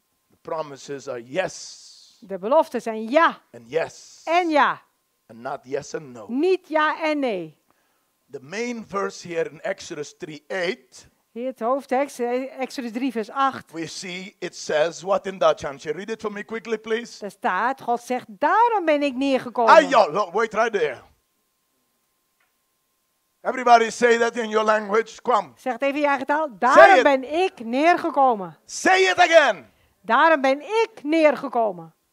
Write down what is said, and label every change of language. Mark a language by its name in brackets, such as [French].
[English] The promises are yes. [Dutch] De beloften zijn ja. [English] And yes. [Dutch] En ja. [English] And not yes and no. [Dutch] Niet ja en nee. [English] The main verse here in Exodus 3:8. [Dutch] Hier het hoofdtekst, Exodus 3 vers 8. [English] We see it says, what in Dutch, Antje? Read it for me quickly, please. [Dutch] Daar staat, God zegt, daarom ben ik neergekomen. [English] Ah, yeah, look, wait right there. Everybody say that in your language, kwam. [Dutch] Zeg het even in je eigen taal. Daarom ben ik neergekomen. [English] Say it again. [Dutch] Daarom ben ik neergekomen.